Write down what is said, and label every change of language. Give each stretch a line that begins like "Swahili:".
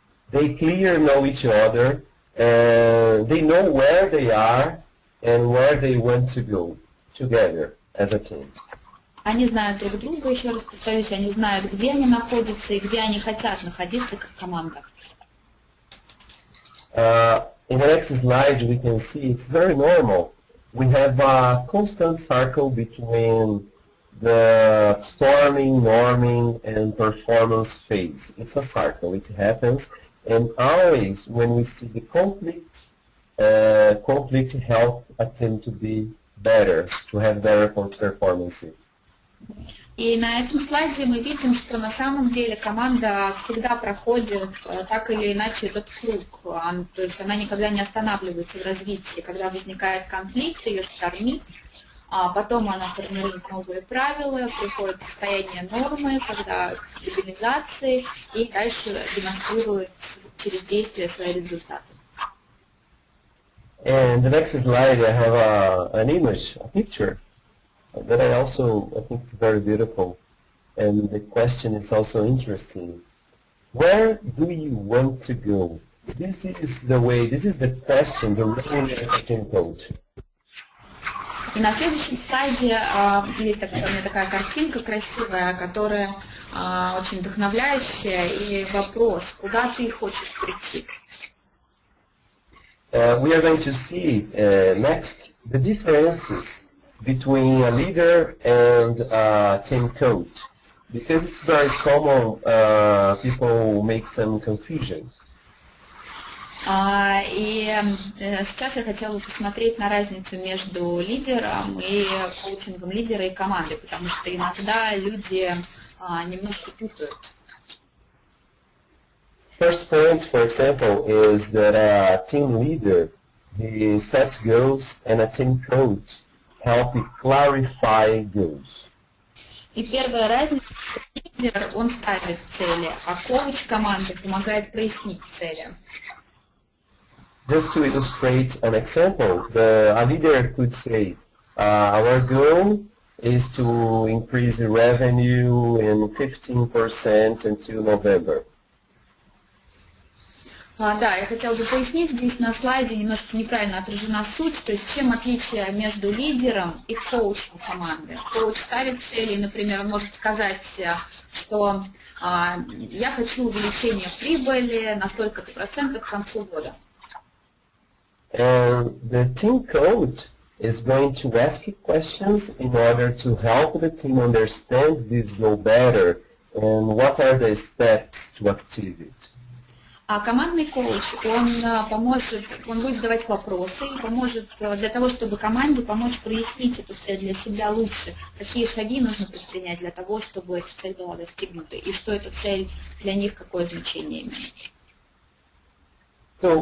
English: They clear know each other, they know where they are and where they want to go together as a team.
Russian: Они знают друг друга, еще раз повторюсь, они знают, где они находятся и где они хотят находиться как команда.
English: In the next slide we can see it's very normal. We have a constant circle between the storming, norming, and performance phase. It's a circle, it happens. And always, when we see the conflict, conflict help a team to be better, to have better performance.
Russian: И на этом слайде мы видим, что на самом деле команда всегда проходит так или иначе этот круг. То есть она никогда не останавливается в развитии. Когда возникает конфликт, ее штормит, а потом она формирует новые правила, приходит в состояние нормы, когда к стабилизации, и дальше демонстрирует через действия свои результаты.
English: And the next slide I have an image, a picture. But I think it's very beautiful, and the question is also interesting. Where do you want to go? This is the way, this is the question, the really interesting quote.
Russian: И на следующем слайде есть такая картинка красивая, которая очень вдохновляющая, и вопрос, куда ты хочешь прийти?
English: We are going to see next the differences between a leader and a team coach, because it's very common people make some confusion.
Russian: Сейчас я хотела бы посмотреть на разницу между лидером и коучингом лидера и команды, потому что иногда люди немножко путают.
English: First point, for example, is that a team leader, he sets goals, and a team coach help it clarify goals.
Russian: И первая разница, лидер, он ставит цели, а коуч команды помогает прояснить цели.
English: Just to illustrate an example, a leader could say, our goal is to increase the revenue in 15% until November.
Russian: Да, я хотела бы пояснить, здесь на слайде немножко неправильно отражена суть, то есть чем отличие между лидером и коучем команды. Коуч ставит цели, например, он может сказать, что я хочу увеличение прибыли на столько-то процентов к концу года.
English: And the team coach is going to ask questions in order to help the team understand this goal better and what are the steps to achieve it.
Russian: А командный коуч, он будет задавать вопросы и поможет для того, чтобы команде помочь прояснить эту цель для себя лучше, какие шаги нужно предпринять для того, чтобы эта цель была достигнута, и что эта цель для них, какое значение имеет.